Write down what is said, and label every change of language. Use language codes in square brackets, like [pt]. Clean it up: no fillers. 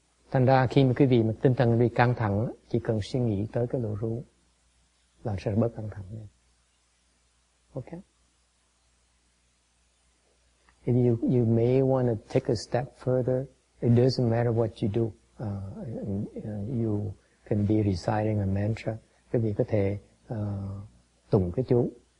[vi] Thành ra khi mà quý vị mà tinh thần bị căng thẳng, chỉ cần suy nghĩ tới cái lỗ rú là sẽ bớt căng thẳng lên. [en] Okay. If you may want to take a step further, it doesn't matter what you do. You can be reciting a mantra. [vi] Quý vị có thể tụng cái chú.